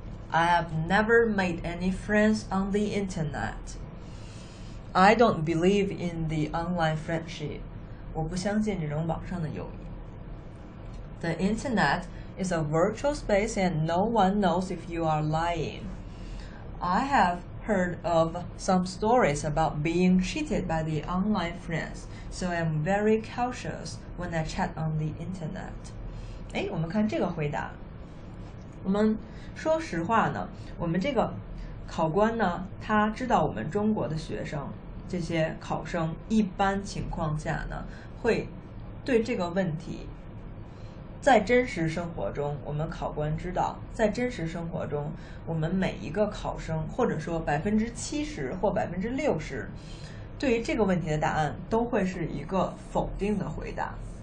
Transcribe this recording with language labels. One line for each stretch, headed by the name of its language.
English: I have never made any friends on the internet. I don't believe in the online friendship.
Chinese: 我不相信这种网上的友谊。
English: The internet is a virtual space and no one knows if you are lying. I have heard of some stories about being cheated by the online friends, so I am very cautious when I chat on the internet.
Chinese: 哎，我们看这个回答。我们说实话呢，我们这个考官呢，他知道我们中国的学生，这些考生一般情况下呢，会对这个问题，在真实生活中，我们考官知道，在真实生活中，我们每一个考生，或者说70%或60%，对于这个问题的答案，都会是一个否定的回答。